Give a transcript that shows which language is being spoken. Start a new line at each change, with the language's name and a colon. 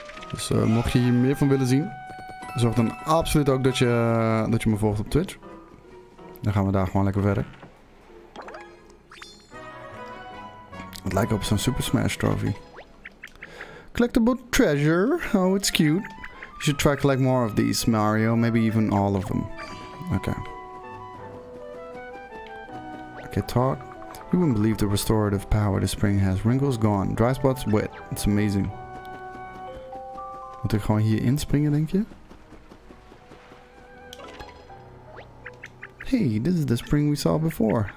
Dutch: Dus mocht je hier meer van willen zien, zorg dan absoluut ook dat je me volgt op Twitch. Dan gaan we daar gewoon lekker verder. Het lijkt op zo'n Super Smash Trophy.
English: Collectible treasure, oh it's cute. You should try to collect more of these, Mario. Maybe even all of them. Okay. Okay, talk. You wouldn't believe the restorative power the spring has. Wrinkles gone. Dry spots wet. It's amazing.
Dutch: Moet ik gewoon hier inspringen, denk je?
English: Hey, this is the spring we saw before.